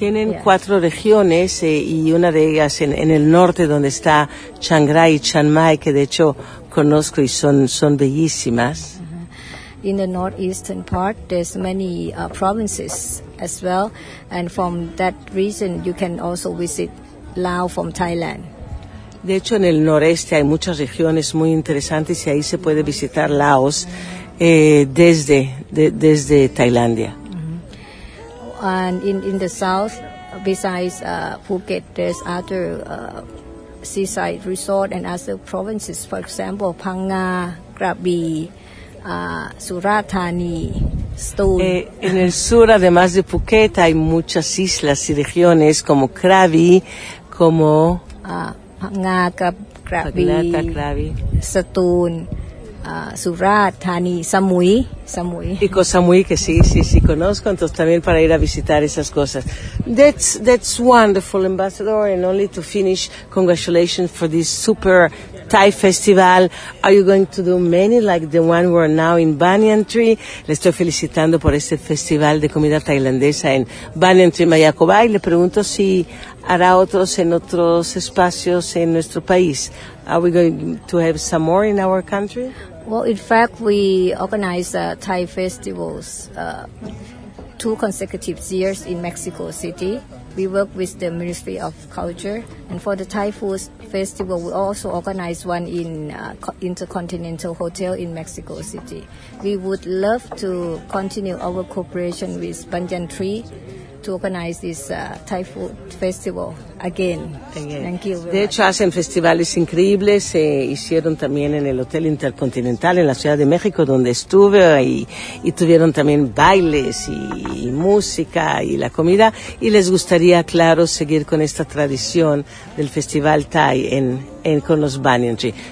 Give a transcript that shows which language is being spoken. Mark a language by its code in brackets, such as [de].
[es] Tienen cuatro regiones y una de ellas en el norte donde está Chiang Rai y Chiang Mai, que de hecho conozco y son bellísimas. [en] In the northeastern part, there's many provinces as well, and from that region, you can also visit Lao from Thailand. [es] De hecho, en el noreste hay muchas regiones muy interesantes, y ahí se puede visitar Laos desde Tailandia. Mm-hmm. [en] And in the south, besides Phuket, there's other seaside resort and other provinces. For example, Phanga, Krabi. Surat Thani, Stone. [es] En el sur, además de Phuket, hay muchas islas y regiones como Krabi, como Krabi, Stone, Surat Thani, Samui. Y Koh Samui, que sí conozco, entonces también para ir a visitar esas cosas. [en] That's wonderful, Ambassador. And only to finish, congratulations for this super Thai Festival. Are you going to do many like the one we're now in Banyan Tree? [es] Le estoy felicitando por este festival de comida tailandesa en Banyan Tree, Mayakobai. Le pregunto si hará otros en otros espacios en nuestro país. [en] Are we going to have some more in our country? Well, in fact, we organize Thai festivals two consecutive years in Mexico City. We work with the Ministry of Culture, and for the Thai Food Festival, we also organize one in Intercontinental Hotel in Mexico City. We would love to continue our cooperation with Banyan Tree to organize this Thai Food Festival again. Thank you. [es] De hecho, hacen festivales increíbles. Se hicieron también en el Hotel Intercontinental en la Ciudad de México, donde estuve, y tuvieron también bailes y música y la comida. Y les gustaría, claro, seguir con esta tradición del Festival Thai en con los Banyan Tree.